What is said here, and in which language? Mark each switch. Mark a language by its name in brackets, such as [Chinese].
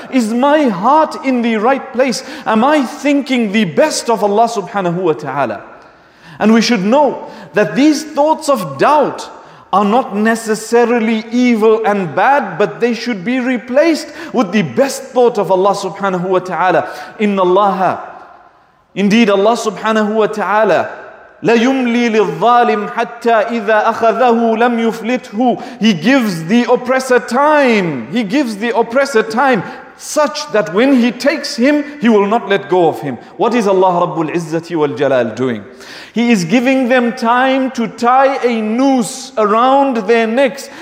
[English] Is my heart in the right place? Am I thinking the best of Allah subhanahu wa ta'ala? And we should know that these thoughts of doubt are not necessarily evil and bad, but they should be replaced with the best thought of Allah subhanahu wa ta'ala. [Arabic] Inna Allaha. [English] Indeed, Allah subhanahu wa ta'ala, [Arabic] لَيُمْلِي لِلظَّالِمْ حَتَّى إِذَا أَخَذَهُ لَمْ يُفْلِتْهُ. [English] He gives the oppressor time. He gives the oppressor time such that when he takes him, he will not let go of him. What is Allah Rabbul Izzati wal Jalal doing? He is giving them time to tie a noose around their necks.